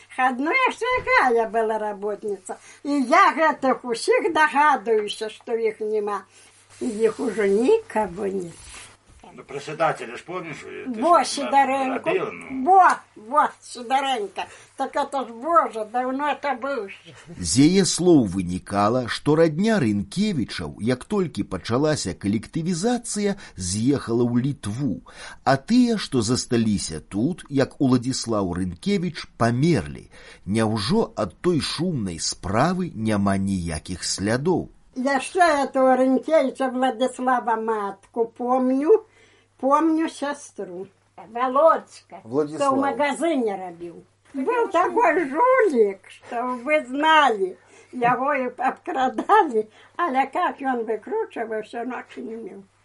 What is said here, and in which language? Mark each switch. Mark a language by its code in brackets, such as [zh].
[ru] Ну, я же такая была работница. И я этих всех догадываюсь, что их нема. И их уже никого нет. Ну, про Сидателя ж помнишь? Бо, Сидоренко. Бо, Сидоренко. Так это ж, Боже, давно это было. [be] З яе слоў вынікала, што родня Рынкевічаў, як толькі пачалася калектывізацыя, з'ехала ў Літву. А тыя, што засталіся тут, як Уладзіслаў Рынкевіч, памерлі. Няўжо ад той шумнай справы няма ніякіх слядоў? [ru] Я ще этого Рынкевіча Владислава матку помню. Помню сестру, Володька, Владислав. Что в магазине робил. Был такой жулик, что вы знали, его и обкрадали, але как он выкручивался, ночи не имел.